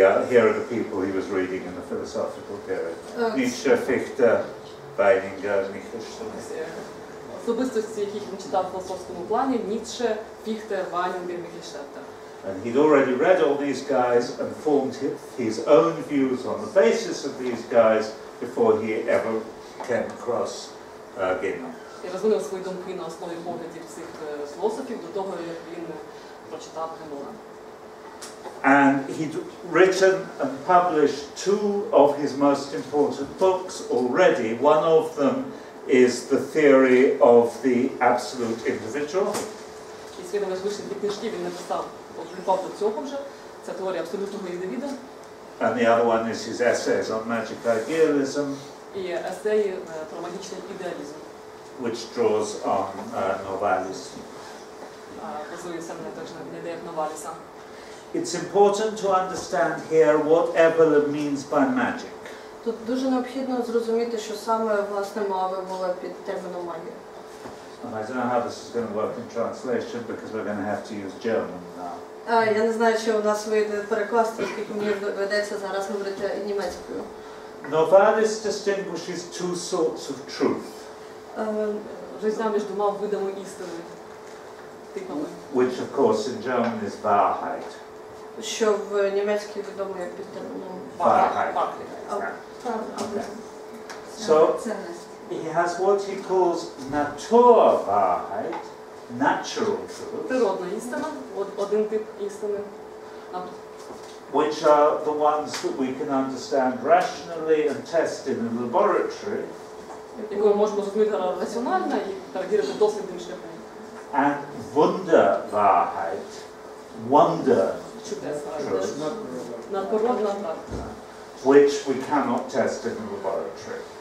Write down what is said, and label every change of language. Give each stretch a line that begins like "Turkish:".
English: Here are the people he was reading in the philosophical period.
Ukrainian: Ніцше, Фіхте, Вайнінга, Міхельштетта. Особистості, яких він читав в філософському плані, Ніцше, Фіхте, Вайнінга, Міхельштетта.
English: And he'd already read all these guys and formed his own views on the basis of these guys before he ever came across Геном.
Ukrainian: І розвинув свої думки на основі поглядів цих філософів до того, як він прочитав Генона.
English: And he'd written and published two of his most important books already. One of them is The Theory of the Absolute Individual.
Ukrainian: І свій найважливіший книжки він написав, обліпав до цього вже, це теорія абсолютного індивіда.
English: And the other one is his essays on magic idealism.
Ukrainian: І есеї про магічний ідеалізм.
English: Which draws on Новаліс.
Ukrainian: Базується на тих ідеях Новаліса.
English: It's important to understand here what Evola means by magic.
Ukrainian: Тут дуже необхідно зрозуміти, що саме власне мова була під терміном магія.
English: And I don't know how this is going to work in translation because we're going to have to use German now.
Ukrainian: Я не знаю, що у нас вийде перекласти, оскільки мені доведеться зараз говорити німецькою.
English: Novalis distinguishes two sorts of truth.
Ukrainian: Різниця між двома видами істини.
English: Which of course in German is Wahrheit.
Ukrainian: Що в німецькій відомо як під терміном
German: Wahrheit.
English: So he has what he calls Naturwahrheit, natural truth.
Ukrainian: Природна істина, один тип істини.
English: Which are the ones that we can understand rationally and test in a laboratory.
Ukrainian: Якою можемо зрозуміти раціонально і перевірити досвідним шляхом.
English: And Wunderwahrheit, wonder.
Ukrainian: Чудеса, надпородна так.
English: Which we cannot test in the laboratory.